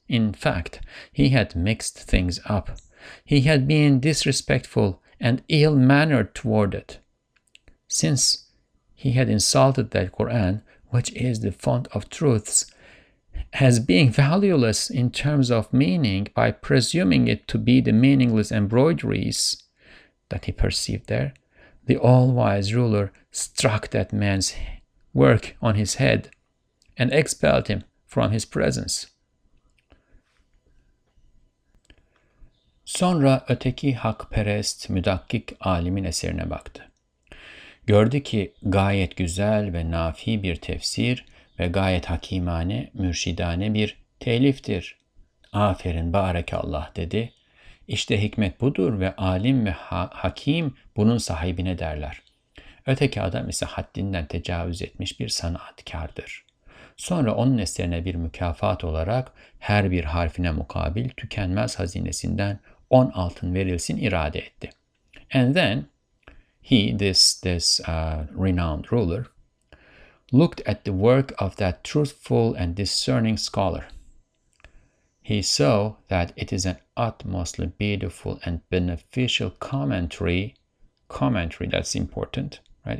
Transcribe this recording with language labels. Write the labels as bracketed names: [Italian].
[English] In fact, he had mixed things up. He had been disrespectful and ill-mannered toward it, since he had insulted that Quran, which is the font of truths, as being valueless in terms of meaning by presuming it to be the meaningless embroideries that he perceived there. The all-wise ruler struck that man's work on his head and expelled him from his presence. [Turkish] Sonra öteki hakperest müdakkik alimin eserine baktı. Gördü ki gayet güzel ve nafi bir tefsir ve gayet hakimane, mürşidane bir teliftir. Aferin, barekallah dedi. İşte hikmet budur ve alim ve hakim bunun sahibine derler. Öteki adam ise haddinden tecavüz etmiş bir sanatkardır. Sonra onun eserine bir mükafat olarak her bir harfine mukabil tükenmez hazinesinden 10 altın verilsin irade etti. [English] And then he, renowned ruler, looked at the work of that truthful and discerning scholar. He saw that it is an utmostly beautiful and beneficial commentary, that's important, right?